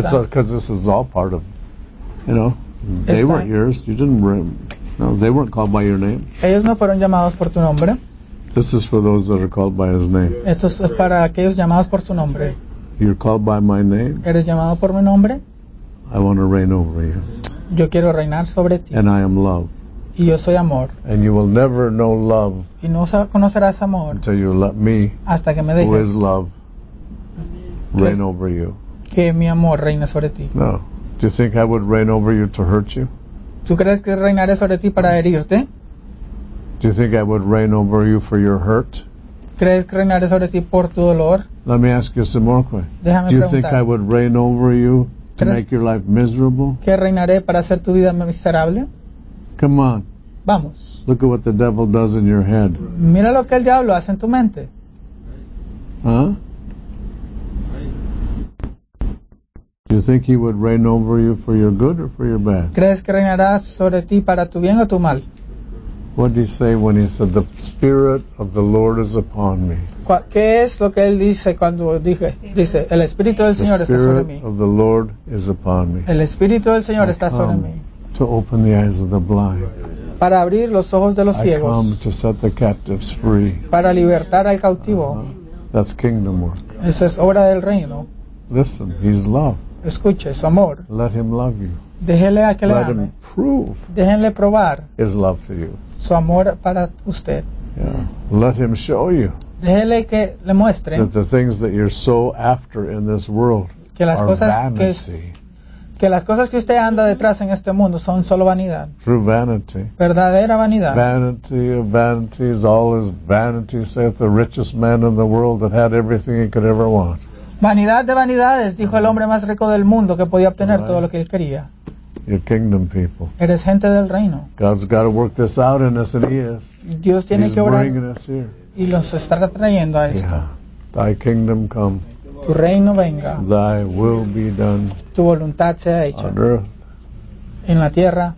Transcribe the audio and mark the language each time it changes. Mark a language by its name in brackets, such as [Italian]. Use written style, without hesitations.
[English] It's because this is all part of, you know, they weren't yours. You didn't bring, no, they weren't called by your name. [Spanish] Ellos no fueron llamados por tu nombre. [English] This is for those that are called by his name. [Spanish] Esto es para aquellos llamados por su nombre. [English] You're called by my name. [Spanish] Eres llamado por mi nombre. [English] I want to reign over you. [Spanish] Yo quiero reinar sobre ti. [English] And I am love. [Spanish] Y yo soy amor. [English] And you will never know love. [Spanish] Y no conocerás amor. [English] Until you let me. [Spanish] Hasta que me dejes. [English] Who is love. Reign over you. [Spanish] Que mi amor reine sobre ti. [English] No. Do you think I would reign over you to hurt you? [Spanish] ¿Tú crees que reinaré sobre ti para herirte? [English] Do you think I would reign over you for your hurt? [Spanish] ¿Crees que reinaré sobre ti por tu dolor? [English] Let me ask you some more questions. [Spanish] Déjame preguntar. [English] Do you think I would reign over you to make your life miserable? [Spanish] ¿Que reinaré para hacer tu vida miserable? [English] Come on. [Spanish] Vamos. [English] Look at what the devil does in your head. [Spanish] Mira lo que el diablo hace en tu mente. Huh? [English] Do you think he would reign over you for your good or for your bad? [Spanish] ¿Crees que reinará sobre ti para tu bien o tu mal? [English] What did he say when he said, "The Spirit of the Lord is upon me"? [Spanish] ¿Qué es lo que él dice cuando dije? Dice, el Espíritu del Señor está sobre mí. [English] The Spirit of the Lord is upon me. [Spanish] El Espíritu del Señor está sobre mí. [English] To open the eyes of the blind. [Spanish] Para abrir los ojos de los ciegos. [English] I come to set the captives free. [Spanish] Para libertar al cautivo. [English] That's kingdom work. [Spanish] Esa es obra del reino. [English] Listen, he's love. [Spanish] Escuche, es amor. [English] Let him love you. [Spanish] Déjele a que [English] Let [Spanish] le ame. [English] Him prove. [Spanish] Déjenle probar. [English] His love for you. [Spanish] Su amor para usted. [English] Yeah. Let him show you. [Spanish] Déjele que le muestre. [English] That the things that you're so after in this world. [Spanish] Que las [English] are [Spanish] cosas [English] vanity. [Spanish] Que las cosas que usted anda detrás en este mundo son solo vanidad. [English] True vanity. [Spanish] Verdadera vanidad. [English] Vanity of vanities, all is vanity, saith the richest man in the world that had everything he could ever want. [Spanish] Vanidad de vanidades, dijo el hombre más rico del mundo que podía obtener [English] right. [Spanish] todo lo que él quería. [English] You're kingdom people. [Spanish] Eres gente del reino. [English] God's got to work this out in us, and he is. [Spanish] Dios tiene [English] He's [Spanish] que obrar [English] bringing us here. [Spanish] Y los está trayendo a esto. [English] Yeah. Thy kingdom come. [Spanish] Tu reino venga. [English] Thy will be done. [Spanish] Tu voluntad sea hecha. [English] On earth. [Spanish] En la tierra.